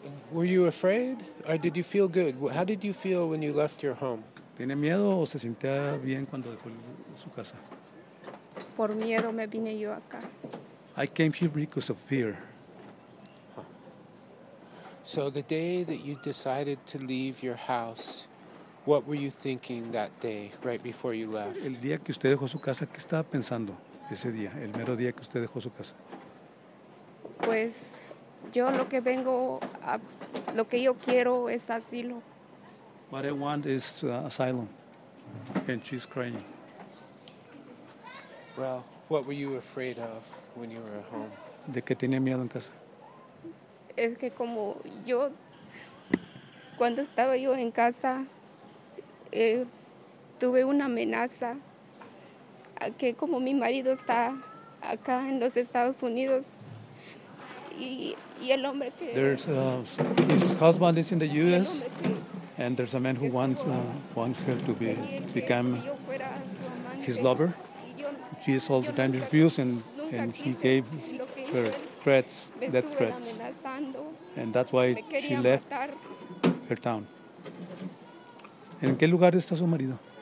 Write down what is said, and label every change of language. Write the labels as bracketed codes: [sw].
[en] Were you afraid, or did you feel good? How did you feel when you left your home? [es] ¿Tenía miedo o se sentía bien cuando dejó su casa? Por miedo me vine yo acá. [en] I came here because of fear. So the day that you decided to leave your house, what were you thinking that day, right before you left? [es] El día que usted dejó su casa, ¿qué estaba pensando ese día, el mero día que usted dejó su casa? Pues yo lo que vengo, a, lo que yo quiero es asilo. [en] What I want is asylum, and she's crying. Well, what were you afraid of when you were at home? [es] De que tenía miedo en casa. Es que como yo, cuando estaba yo en casa, tuve una amenaza, que como mi marido está acá en los Estados Unidos, y el hombre que... [en] There's his husband is in the U.S., and there's a man who wants her to become his lover. She is all the time refusing, and he gave her threats, death threats. And that's why she left her town. [es] ¿En qué lugar está su marido?